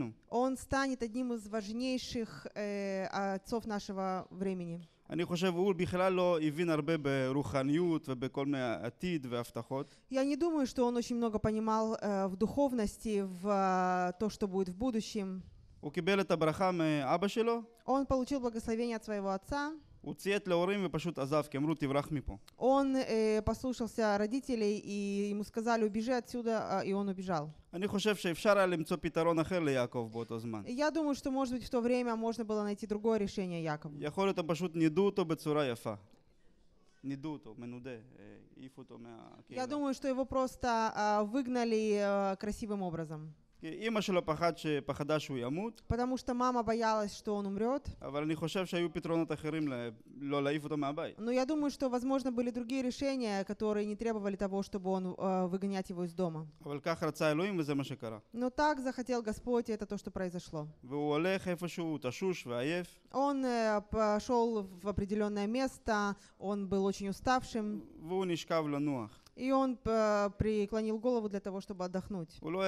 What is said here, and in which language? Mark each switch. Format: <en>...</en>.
<ru>Он станет одним из важнейших отцов нашего времени.</ru> <he>אני חושב, אול בכלל לא הבין הרבה ברוחניות ובכל מיני עתיד והבטחות.</he> <ru>Я не думаю, что он очень много понимал в духовности, в то, что будет в будущем.</ru> <he>הוא קיבל את הברכה מאבא שלו.</he> <ru>Он получил благословение от своего отца.</ru> <he>הוא ציית להורים ופשוט עזב, כי אמרו, תברח מפה.</he> <ru>Он послушался родителей, и ему сказали, убежи отсюда, и он убежал.</ru> <he>אני חושב שאפשר היה למצוא פתרון אחר ליעקב באותו זמן.</he> <ru>Я думаю, что, может быть, в то время можно было найти другое решение Якову.</ru> <he>יכול להיות, פשוט נידו אותו בצורה יפה. נידו אותו, מנודה, עיפו אותו מהקהילה.</he> <ru>Я думаю, что его просто выгнали красивым образом.</ru> <he>אמא שלו פחדה שהוא ימות.</he> <ru>Потому что мама боялась, что он умрёт.</ru> <he>אבל אני חושב שהיו פתרונות אחרים לא להעיף אותו מהבית.</he> <ru>Но я думаю, что возможно были другие решения, которые не требовали того, чтобы он выгонять его из дома.</ru> <he>אבל כך רצה אלוהים וזה מה שקרה.</he> <ru>Но так захотел Господь, это то, что произошло.</ru> <he>והוא הולך איפשהו, תשוש ועייף.</he> <ru>Он пошёл в определённое место, он был очень уставшим.</ru> <he>והוא נשכב לנוח.</he> <ru>И он преклонил голову для того, чтобы отдохнуть.</ru>